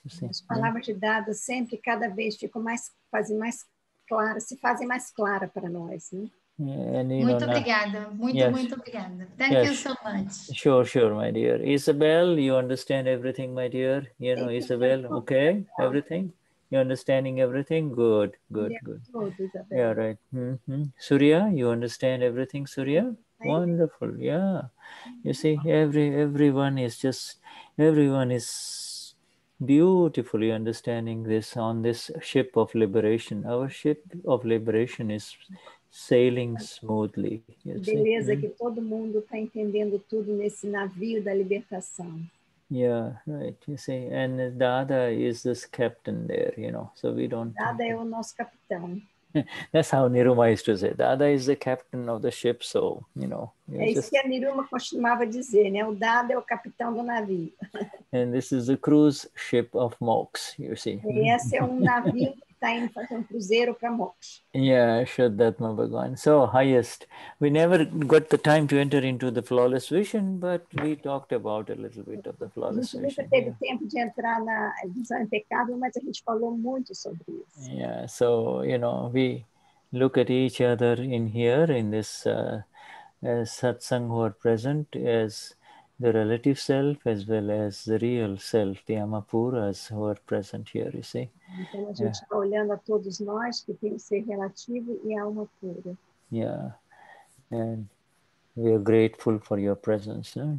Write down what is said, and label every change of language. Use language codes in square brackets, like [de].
[en] You see? [pt] As palavras de Dada sempre, cada vez ficam mais, se fazem mais clara para nós. [en] Yeah, and, [pt] muito obrigada. [en] Thank you so much. Sure, my dear. Isabel, you understand everything, my dear. You know, Isabel, okay? Everything? You're understanding everything? Good. Yeah, right. Surya, you understand everything, Surya? Wonderful, yeah. You see, everyone is beautifully understanding this on this ship of liberation. Our ship of liberation is sailing smoothly. [pt] Beleza, que todo mundo está entendendo tudo nesse navio da libertação. [en] Yeah, right. You see, and Dada is this captain there, you know. So we don't. [pt] Dada é o nosso capitão. [en] That's how Niruma used to say. Dada is the captain of the ship, so, you know. [pt] É isso que a Niruma costumava dizer, né? O Dada é o capitão do navio. [en] And this is a cruise ship of mocks, you see. [pt] Esse é um navio que está indo fazer um cruzeiro para mocks. [en] Yeah, Shuddhatma Bhagavan. So, highest. We never got the time to enter into the flawless vision, but we talked about a little bit of the flawless vision. [pt] A gente nunca teve tempo de entrar na visão impecável, mas a gente falou muito sobre isso. [en] Yeah, so, you know, we look at each other in here, in this satsang who are present as the relative self as well as the real self, the Amapuras who are present here, you see. [pt] Então a gente está olhando a todos nós que tem o ser relativo e a alma pura. [en] Yeah, and we are grateful for your presence, no?